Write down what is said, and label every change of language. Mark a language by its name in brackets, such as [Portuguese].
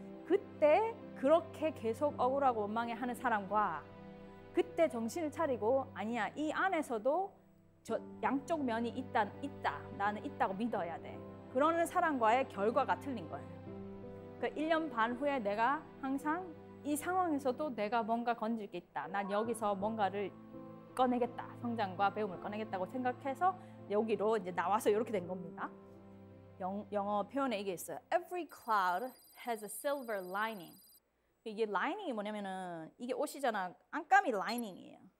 [Korean] 그때 그렇게 계속 억울하고 원망해 하는 사람과 그때 정신을 차리고 아니야 이 안에서도 저 양쪽 면이 있다 나는 있다고 믿어야 돼 그러는 사람과의 결과가 틀린 거예요. 그 1년 반 후에 내가 항상 이 상황에서도 내가 뭔가 건질 게 있다 난 여기서 뭔가를 꺼내겠다 성장과 배움을 꺼내겠다고 생각해서 여기로 이제 나와서 이렇게 된 겁니다. 영어 표현에 이게 있어요. [English] Every cloud has a silver lining. [Korean] 이게 라이닝이 뭐냐면은 이게 옷이잖아 안감이 라이닝이에요.